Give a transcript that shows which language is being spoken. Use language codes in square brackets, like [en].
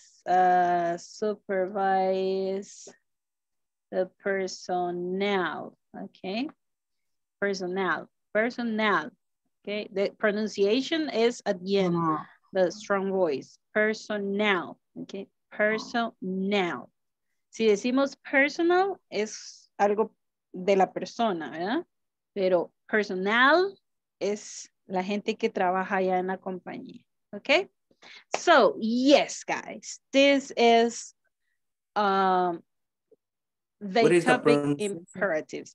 [en] Supervise the personnel. Okay. Personnel. Okay. The pronunciation is at the end, the strong voice. Personnel. Okay. Personnel. [es] Si decimos personal, es algo de la persona, ¿verdad? Pero personnel es la gente que trabaja ya en la compañía. [en] Okay. So, yes, guys, this is the topic imperatives.